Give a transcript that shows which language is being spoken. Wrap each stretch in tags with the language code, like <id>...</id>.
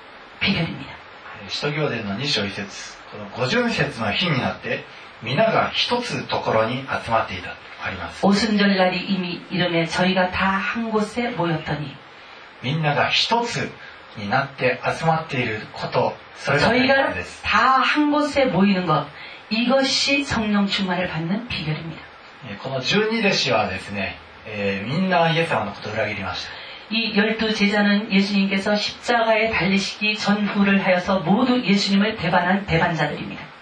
<ja>使徒行伝の2章1節この五旬節の日になって皆が一つところに集まっていたあります</ja> <ko>오순절날이이미이르매저희가다한곳에모였더니</ko> <ja>みんなが一つになって集まっていること、それが大変です。</ja> <ko>다한곳에모이는것、이것이성령충만을받는비결입니다。</ko> <ja>この十二弟子はですね、みんなイエス様のことを裏切りました。</ja> <ko>이열두제자는예수님께서십자가에달리시기전후를하여서모두예수님을배반한배반자들입니다。</ko>